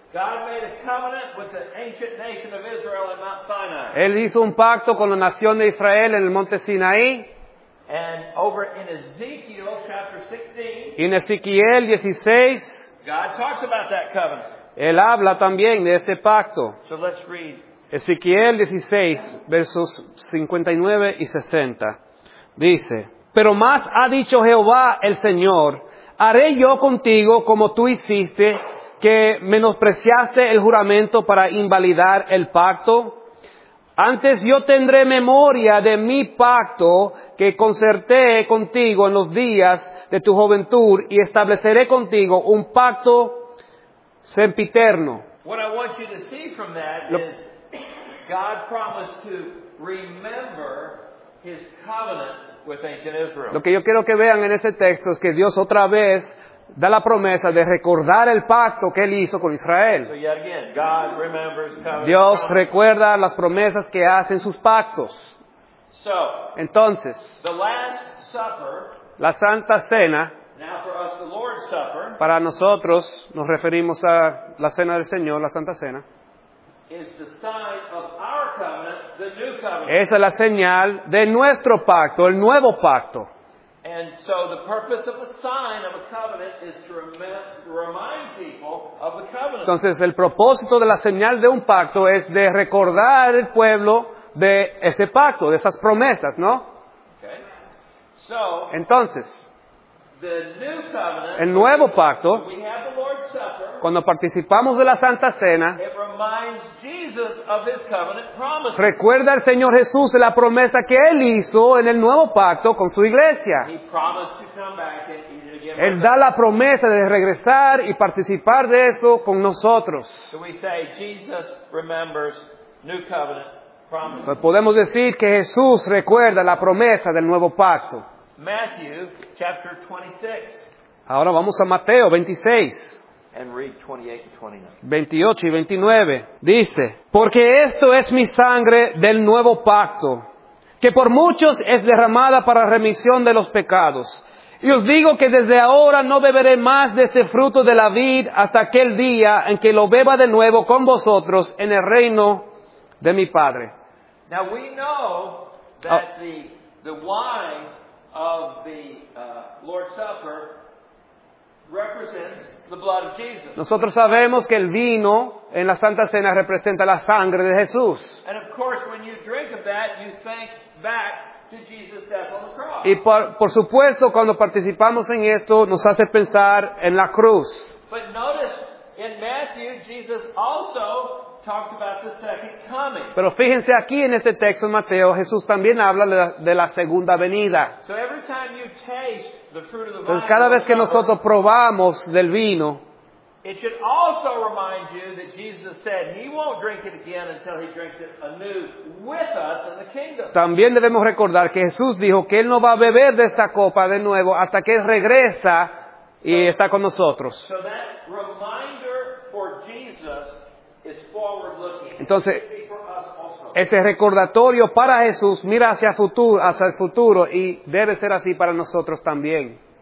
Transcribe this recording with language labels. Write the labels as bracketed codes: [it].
[en] God made a covenant with the ancient nation of Israel at Mount Sinai. [es] Él hizo un pacto con la nación de Israel en el monte Sinaí. [en] And over in Ezekiel chapter 16. [es] Y en Ezequiel 16. [en] God talks about that covenant. [es] Él habla también de este pacto. [en] So let's read. [es] Ezequiel 16, versos 59 y 60. Dice, pero más ha dicho Jehová el Señor, haré yo contigo como tú hiciste, que menospreciaste el juramento para invalidar el pacto. Antes yo tendré memoria de mi pacto que concerté contigo en los días de tu juventud y estableceré contigo un pacto sempiterno. [en] What I want you to see from that is God promised to remember his covenant with ancient Israel. [es] Lo que yo quiero que vean en ese texto es que Dios otra vez da la promesa de recordar el pacto que él hizo con Israel. [en] So yet again, God remembers covenant. [es] Dios recuerda las promesas que hace en sus pactos. [en] So, [es] entonces, [en] the Last Supper, [es] la Santa Cena, [en] now for us the Lord's Supper, [es] para nosotros nos referimos a la Cena del Señor, la Santa Cena, [en] is the sign of our covenant, the new covenant. [es] Esa es la señal de nuestro pacto, el nuevo pacto. [en] And so the purpose of a sign of a covenant is to remind people of the covenant. [es] Entonces el propósito de la señal de un pacto es de recordar al pueblo de ese pacto, de esas promesas, ¿no? [en] Okay. So, [es] entonces, [en] the new covenant, [es] el nuevo pacto, [en] we have the Lord's Supper, [es] cuando participamos de la Santa Cena, [en] it reminds Jesus of his covenant promise. [es] Recuerda al Señor Jesús la promesa que Él hizo en el nuevo pacto con su iglesia. [en] He promised to come back and eat it again. [es] Él da la promesa de regresar y participar de eso con nosotros. [en] So we say, Jesus remembers new covenant promise. [es] Entonces podemos decir que Jesús recuerda la promesa del nuevo pacto. [en] Matthew chapter 26. [es] Ahora vamos a Mateo 26. [en] And read 28 and 29. [es] 28 y 29. Dice, porque esto es mi sangre del nuevo pacto, que por muchos es derramada para remisión de los pecados. Y os digo que desde ahora no beberé más de este fruto de la vid hasta aquel día en que lo beba de nuevo con vosotros en el reino de mi Padre. [en] Now we know that the wine of the Lord's Supper represents the blood of Jesus. [es] Nosotros sabemos que el vino en la Santa Cena representa la sangre de Jesús. [en] And of course, when you drink of that, you think back to Jesus' death on the cross. [es] Y por supuesto, cuando participamos en esto, nos hace pensar en la cruz. [en] But notice, in Matthew, Jesus also talks about the second coming. [es] Pero fíjense aquí en este texto en Mateo, Jesús también habla de la segunda venida. [en] So every time you taste the fruit of the vine, [es] entonces cada vez que nosotros probamos del vino, [en] It should also remind you that Jesus said he won't drink it again until he drinks it anew with us in the kingdom. [es] También debemos recordar que Jesús dijo que él no va a beber de esta copa de nuevo hasta que él regresa y está con nosotros. [en] So that reminder for Jesus is forward looking. [es] Entonces, ese recordatorio para Jesús mira hacia futuro, hacia el futuro, y debe ser así para nosotros también.